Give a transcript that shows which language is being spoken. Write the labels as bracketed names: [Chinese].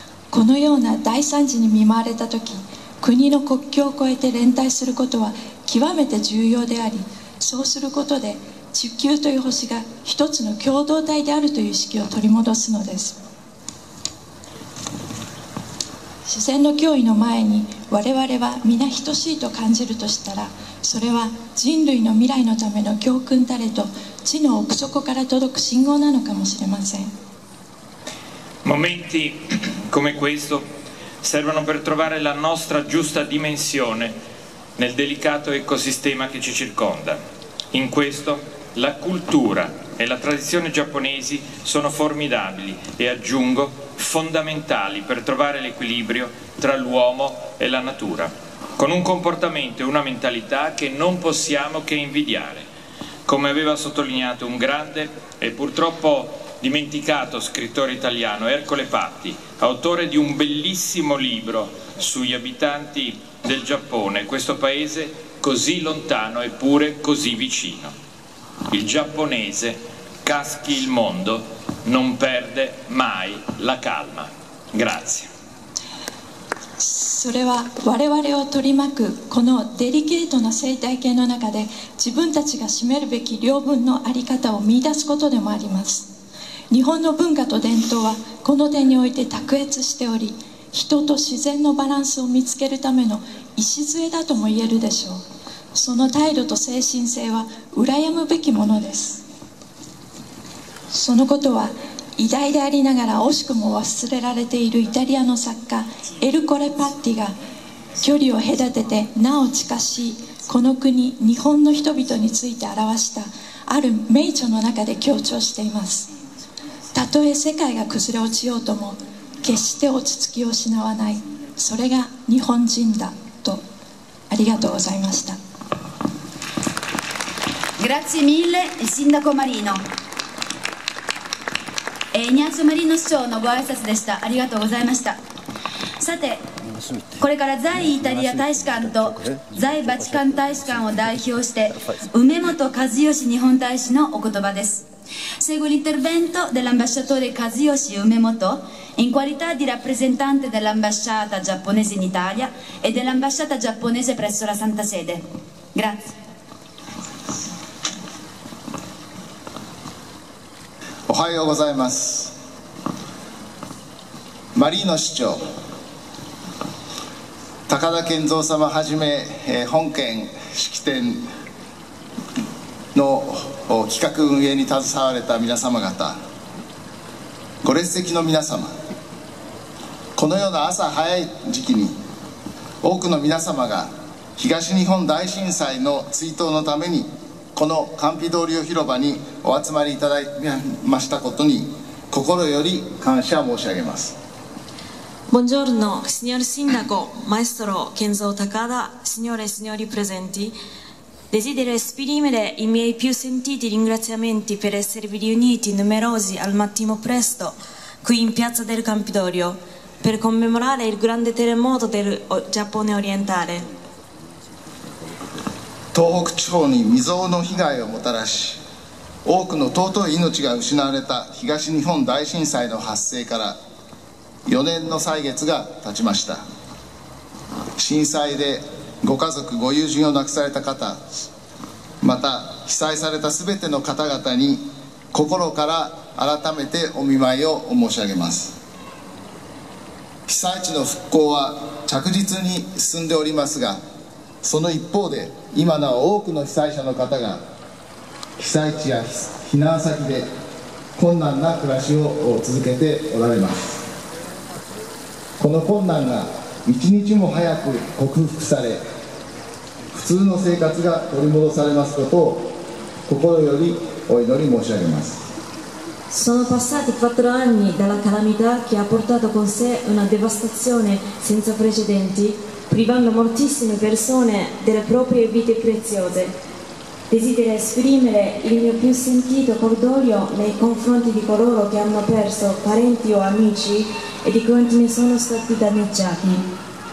[Japanese] このような大惨事に見舞われた時、国の国境を越えて連帯することは極めて重要であり、そうすることで地球という星が一つの共同体であるという意識を取り戻すのです。自然の脅威の前に我々は皆等しいと感じるとしたら、それは人類の未来のための教訓たれと地の奥底から届く信号なのかもしれません。 [Italian] Momenti come questo servono per trovare la nostra giusta dimensione nel delicato ecosistema che ci circonda. In questo la cultura e la tradizione giapponesi sono formidabili e, aggiungo, fondamentali per trovare l'equilibrio tra l'uomo e la natura, con un comportamento e una mentalità che non possiamo che invidiare, come aveva sottolineato un grande e purtroppo dimenticato scrittore italiano, Ercole Patti, autore di un bellissimo libro sugli abitanti del Giappone, questo paese così lontano eppure così vicino. Il giapponese, caschi il mondo, non perde mai la calma. Grazie. [Japanese] それは我々を取り巻くこのデリケートな生態系の中で自分たちが占めるべき領分のあり方を見出すことでもあります。日本の文化と伝統はこの点において卓越しており、人と自然のバランスを見つけるための礎だとも言えるでしょう。その態度と精神性は羨むべきものです。そのことは偉大でありながら惜しくも忘れられているイタリアの作家エルコレ・パッティが、距離を隔ててなお近しいこの国日本の人々について表したある名著の中で強調しています。たとえ世界が崩れ落ちようとも決して落ち着きを失わない、それが日本人だと。ありがとうございました。 [Italian] Grazie mille, il sindaco Marino. [Japanese] E Ignazio Marino 市長のご挨拶でした。ありがとうございました。さて、これから在イタリア大使館と在バチカン大使館を代表して、梅本和義日本大使のお言葉です。 [Italian] Seguo l'intervento dell'ambasciatore Kazuyoshi Umemoto in qualità di rappresentante dell'ambasciata giapponese in Italia e dell'ambasciata giapponese presso la Santa Sede. Grazie. [Japanese] おはようございます。マリーノ市長、高田健三様はじめ、本県式典の企画運営に携われた皆様方、ご列席の皆様、このような朝早い時期に多くの皆様が東日本大震災の追悼のためにこのカンピドーリオ広場にお集まりいただきましたことに心より感謝申し上げます。 [Italian] ボンジョルノ、シニョルシンダコ、マエストロ、ケンゾー、タカダ、シニョレ、シニョリ、プレゼンティ、desidero esprimere i miei più sentiti ringraziamenti per esservi riuniti numerosi al mattino presto qui in piazza del Campidoglio per commemorare il grande terremoto del Giappone orientale. [Japanese] 東北地方に未曾有の被害をもたらし、多くの尊い命が失われた東日本大震災の発生から4年の歳月が経ちました。震災でご家族ご友人を亡くされた方、また被災された全ての方々に心から改めてお見舞いを申し上げます。被災地の復興は着実に進んでおりますが、その一方で今なお多くの被災者の方が被災地や避難先で困難な暮らしを続けておられます。この困難が一日も早く克服され、普通の生活が取り戻されますことを心よりお祈り申し上げます。 [Italian] Sono passati quattro anni dalla calamità che ha portato con sé una devastazione senza precedenti, privando moltissime persone delle proprie vite preziose. Desidero esprimere il mio più sentito cordoglio nei confronti di coloro che hanno perso parenti o amici e di quanti ne sono stati danneggiati.